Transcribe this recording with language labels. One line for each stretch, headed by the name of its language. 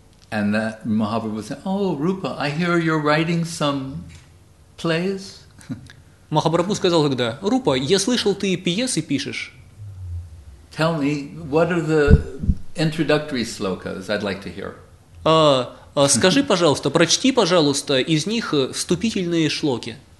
English: And that Mahaprabhu said, "Oh, Rupa, I hear you're writing some plays."
Russian: Махапрабху сказал тогда: «Рупа, я слышал, ты пьесы пишешь.
English: Tell me, what are the introductory slokas I'd like to hear?»
Russian: Скажи, пожалуйста, прочти, пожалуйста, из них вступительные шлоки.